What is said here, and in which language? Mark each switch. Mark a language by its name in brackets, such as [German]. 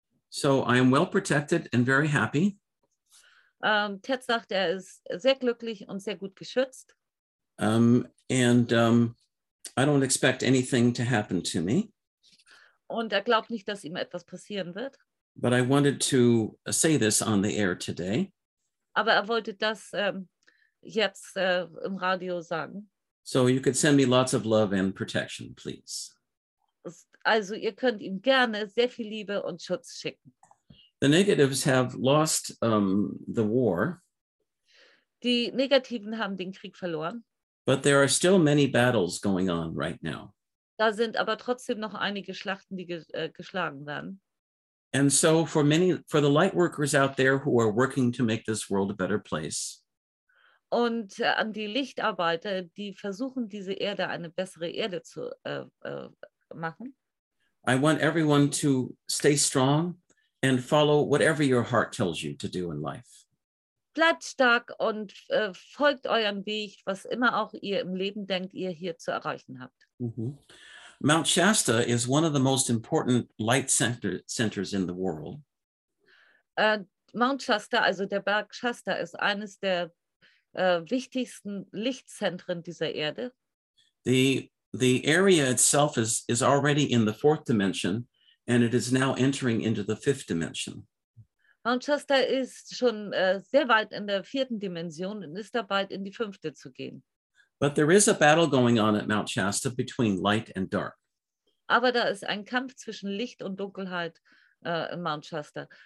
[English] So I am well protected and very happy. [German] Ted sagt, er ist sehr glücklich und sehr gut geschützt. [English] I don't expect anything to happen to me. [German] Und er glaubt nicht, dass ihm etwas passieren wird. [English] But I wanted to say this on the air today. [German] Aber er wollte das jetzt im Radio sagen. [English] So you could send me lots of love and protection, please. [German] Also ihr könnt ihm gerne sehr viel Liebe und Schutz schicken. [English] The negatives have lost the war. [German] Die Negativen haben den Krieg verloren. [English] But there are still many battles going on right now. [German] Da sind aber trotzdem noch einige Schlachten, die geschlagen werden. [English] And so for the light workers out there who are working to make this world a better place. [German] Und an die Lichtarbeiter, die versuchen, diese Erde eine bessere Erde zu machen. [English] I want everyone to stay strong and follow whatever your heart tells you to do in life. [German] Bleibt stark und folgt euren Weg, was immer auch ihr im Leben denkt, ihr hier zu erreichen habt. Mm-hmm. [English] Mount Shasta is one of the most important light centers in the world. [German] Mount Shasta, also der Berg Shasta, ist eines der wichtigsten Lichtzentren dieser Erde. [English] The area itself is already in the fourth dimension, and it is now entering into the fifth dimension. [German] Mount Shasta ist schon sehr weit in der vierten Dimension und ist dabei, in die fünfte zu gehen. [English] But there is a battle going on at Mount Shasta between light and dark. [German] Aber da ist ein Kampf zwischen Licht und Dunkelheit in Mount Shasta.